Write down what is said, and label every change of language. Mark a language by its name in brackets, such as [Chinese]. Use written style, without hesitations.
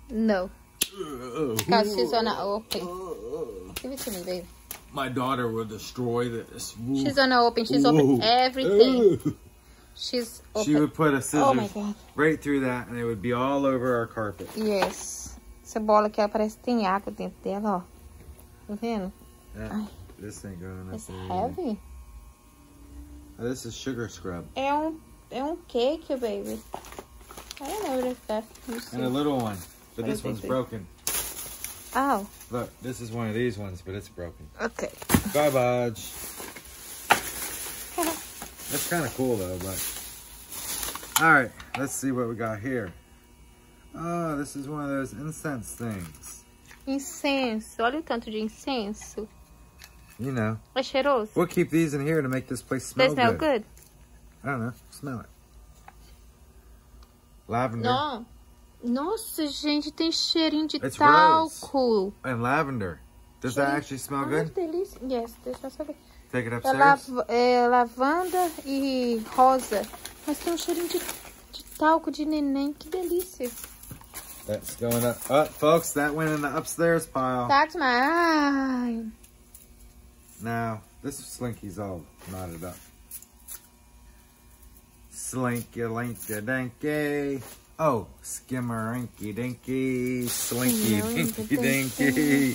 [English] No. Because she's on an open. Give it to me, babe. My daughter will destroy this. Ooh. She's on an open. She's open everything. She's open. She would put a scissors right through that and it would be all over our carpet. Yes. [Portuguese] Essa bola aqui, ela parece que tem água dentro dela, ó. Tá vendo? [English] This ain't going up. It's heavy. Oh, this is sugar scrub. [Portuguese] É um [English] cake, baby. I don't know what it's that. And a little one. But this one's broken. Oh. Look, this is one of these ones, but it's broken. Okay. Garbage. That's kind of cool, though, but... All right, let's see what we got here. Oh, this is one of those incense things. [Portuguese] Incense. Olha o tanto de incenso. [English] You know. [Portuguese] É cheiroso. [English] We'll keep these in here to make this place smell good. They smell good. I don't know. Smell it. Lavender. [Portuguese] No. Nossa, gente, tem cheirinho de talco. [English] And lavender. Does that actually smell good? [Portuguese] Yes, deixa eu saber. [English] Take it upstairs. [Portuguese] É lavanda e rosa. Mas tem um cheirinho de talco de neném. Que delícia. [English] That's going up. Oh, folks, that went in the upstairs pile. That's mine. Now, this slinky's all knotted up. Slinky, linky, dinky. Oh, skimmerinky-dinky, slinky-dinky-dinky.